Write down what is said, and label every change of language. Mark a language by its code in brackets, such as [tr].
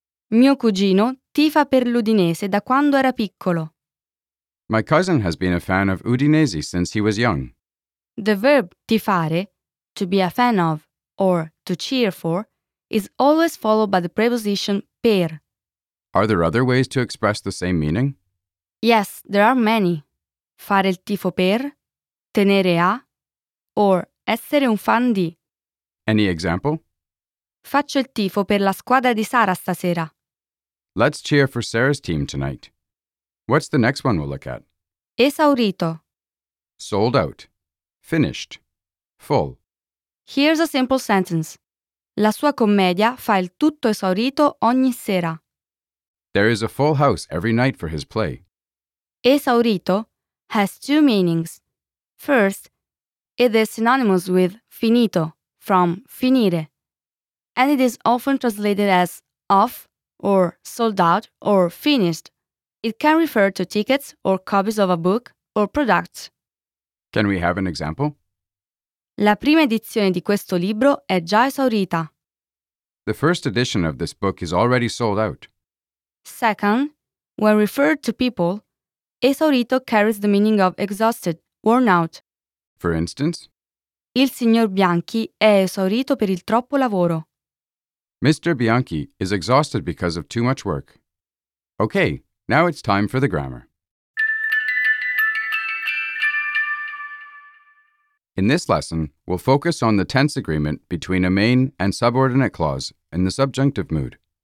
[it] Mio cugino tifa per l'Udinese da quando era piccolo. [en] My cousin has been a fan of Udinese since he was young. The verb tifare, to be a fan of, or to cheer for, is always followed by the preposition per. Are there other ways to express the same meaning? Yes, there are many. [it] Fare il tifo per, tenere a, or essere un fan di. [en] Any example? [it] Faccio il tifo per la squadra di Sara stasera. [en] Let's cheer for Sara's team tonight. What's the next one we'll look at? [it] Esaurito. [en] Sold out. Finished. Full. Here's a simple sentence. [it] La sua commedia fa il tutto esaurito ogni sera. [en] There is a full house every night for his play. Esaurito has two meanings. First, it is synonymous with finito, from finire. And it is often translated as off, or sold out, or finished. It can refer to tickets or copies of a book or products. Can we have an example? [it] La prima edizione di questo libro è già esaurita. [en] The first edition of this book is already sold out. Second, when referred to people, esaurito carries the meaning of exhausted, worn out. For instance? [it] Il signor Bianchi è esaurito per il troppo lavoro. [en] Mr. Bianchi is exhausted because of too much work. Okay. Now it's time for the grammar. In this lesson, we'll focus on the tense agreement between a main and subordinate clause in the subjunctive mood.